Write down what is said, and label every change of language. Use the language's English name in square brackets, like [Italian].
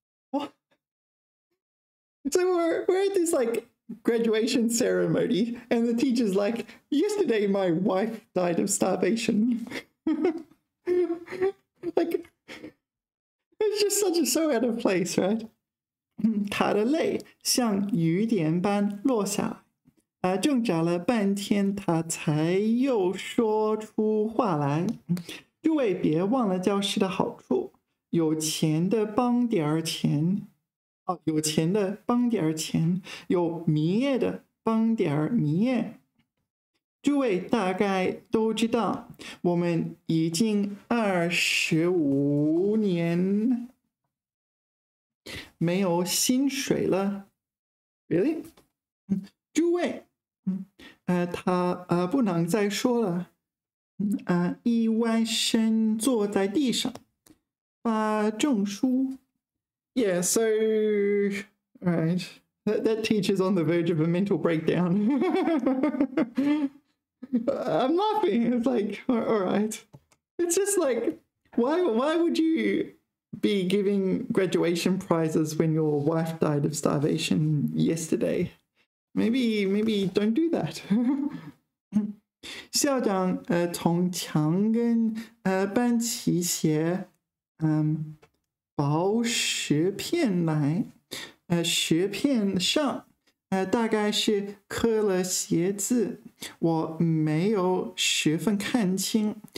[English] What? So we're at this like graduation ceremony, and the teacher's like, "Yesterday, my wife died of starvation." Like, it's just such a so out of place, right? [Chinese] 她的泪像雨点般落下。挣扎了半天，他才又说出话来。诸位别忘了教师的好处，有钱的帮点钱，有钱的帮点钱，有迷业的帮点迷业。诸位大概都知道，我们已经25年没有薪水了。 [English] Really？ [Chinese] 诸位，他不能再说了。一歪身坐在地上，把证书。 [English] Yeah, so right, that teacher's on the verge of a mental breakdown. I'm laughing. It's like, all right. It's just like, why would you be giving graduation prizes when your wife died of starvation yesterday? Maybe don't do that. [Chinese] 校长从墙根搬起些薄石片来，石片上大概是刻了鞋字，我没有十分看清。